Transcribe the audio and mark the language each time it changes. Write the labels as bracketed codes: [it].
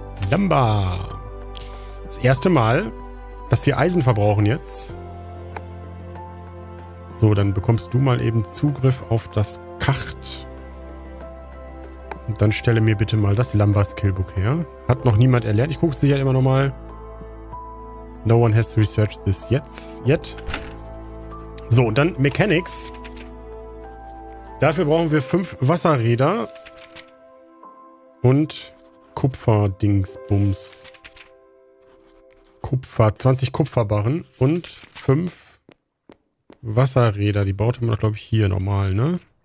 [de] Lamba. Das erste Mal, dass wir Eisen verbrauchen jetzt. So, dann bekommst du mal eben Zugriff auf das Kacht. Und dann stelle mir bitte mal das Lamba-Skillbook her. Hat noch niemand erlernt. Ich gucke es sicher immer noch mal. [en] No one has researched this yet. [de] So, und dann Mechanics. Dafür brauchen wir 5 Wasserräder. Und Kupferdingsbums. Kupfer, 20 Kupferbarren. Und 5 Wasserräder. Die baute man, glaube ich, hier normal, ne?